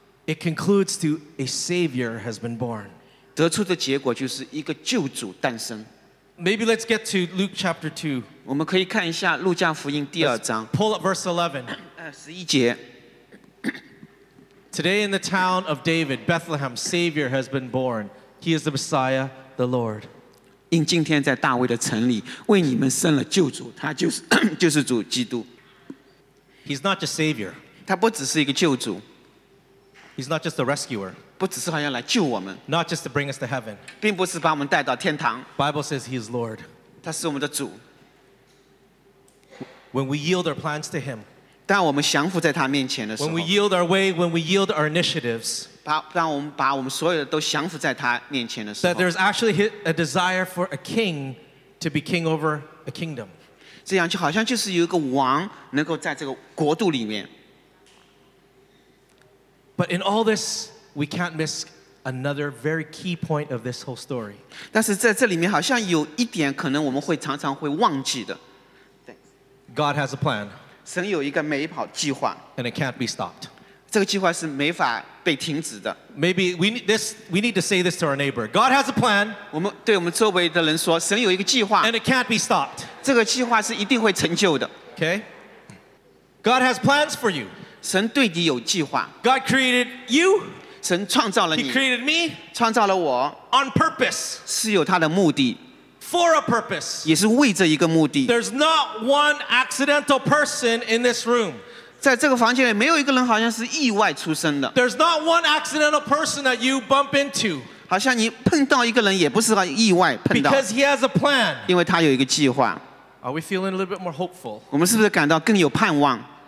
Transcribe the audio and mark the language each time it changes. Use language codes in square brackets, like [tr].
[en] It concludes to a Savior has been born. [zh] 得出的结果就是一个救主诞生。 [en] Maybe let's get to Luke chapter 2. [zh] 我们可以看一下路加福音第二章。 [en] Pull up verse 11. [zh] 11节。 [en] Today in the town of David, Bethlehem, Savior has been born. He is the Messiah, the Lord. [zh] 因今天在大卫的城里为你们生了救主， 他就是主基督。 [en] He's not just Savior. [zh] 他不只是一个救主。 [en] He's not just a rescuer. [zh] 不只是好像来救我们。 [en] Not just to bring us to heaven. [zh] 并不是把我们带到天堂。 [en] Bible says He is Lord. [zh] 他是我们的主。 [en] When we yield our plans to Him, [zh] 当我们降服在他面前的时候, [en] when we yield our way, when we yield our initiatives, [zh] 把我们所有的都降服在他面前的时候, [en] that there's actually a desire for a king to be king over a kingdom. [zh] 这样就好像就是有一个王能够在这个国度里面。 [en] But in all this, we can't miss another very key point of this whole story. [zh] 但是在这里面好像有一点可能我们会常常会忘记的。 [en] God has a plan. [zh] 神有一个美好计划, [en] and it can't be stopped. [zh] 这个计划是没法被停止的。 [en] Maybe we need to say this to our neighbor. God has a plan. [zh] 我们对我们周围的人说, 神有一个计划, [en] and it can't be stopped. [zh] 这个计划是一定会成就的。 [en] Okay? God has plans for you. [zh] 神对你有计划。 [en] God created you. [zh] 神创造了你。 [en] He created me. [zh] 创造了我。 [en] On purpose. [zh] 是有他的目的。 [en] For a purpose. [zh] 也是为这一个目的。 [en] There's not one accidental person in this room. [zh] 在这个房间里没有一个人好像是意外出生的。 [en] There's not one accidental person that you bump into. [zh] 好像你碰到一个人也不是意外碰到。 [en] Because he has a plan. [zh] 因为他有一个计划。 [en] Are we feeling a little bit more hopeful? [zh] 我们是不是感到更有盼望?